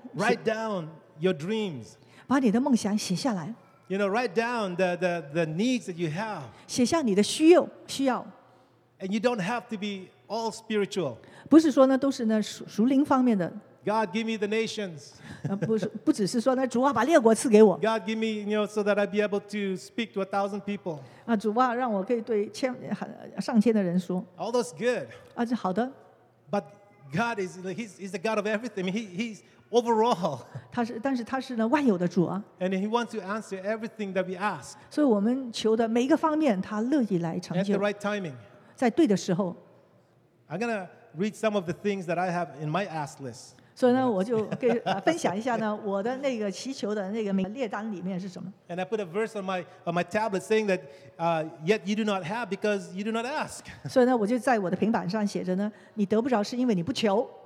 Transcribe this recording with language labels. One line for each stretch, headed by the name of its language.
English: Write down your dreams.
Chinese: 把你的梦想写下来。
English: You know, write down the needs that you have.
Chinese: 写下你的需要。
English: And you don't have to be all spiritual.
Chinese: 不是说呢，都是呢属灵方面的。
English: God, give me the nations.
Chinese: 不只是说呢，主啊，把列国赐给我。
English: God, give me, you know, so that I'd be able to speak to 1,000 people.
Chinese: 啊，主啊，让我可以对上千的人说。
English: All those good.
Chinese: 啊，这好的。
English: But God is, he's the God of everything. He's overall.
Chinese: 但是他是呢, 万有的主啊,
English: and he wants to answer everything that we ask.
Chinese: 所以我们求的每一个方面,
English: at the right timing. I'm going to read some of the things that I have in my ask list.
Chinese: 所以呢，我就给分享一下呢，我的那个祈求的那个名列单里面是什么。
English: And I put a verse on my tablet saying that, yet you do not have because you do not ask.
Chinese: 所以呢，我就在我的平板上写着呢，你得不着是因为你不求。